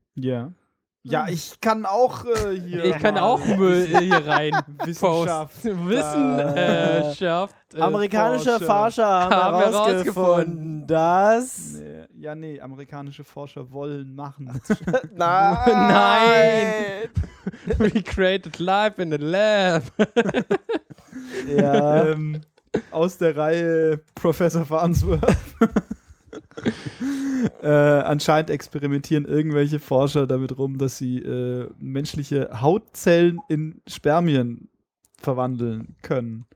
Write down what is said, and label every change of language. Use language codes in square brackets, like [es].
[de] Ja. Ja, ich kann auch hier. Ich kann auch Müll hier rein. Wissenschaft. Amerikanische Forscher haben herausgefunden, dass. Ja, nee, amerikanische Forscher wollen machen. Nein! Nein! [en] We created life in the lab. [de] Ja. aus der Reihe Professor Farnsworth. anscheinend experimentieren irgendwelche Forscher damit rum, dass sie menschliche Hautzellen in Spermien verwandeln können.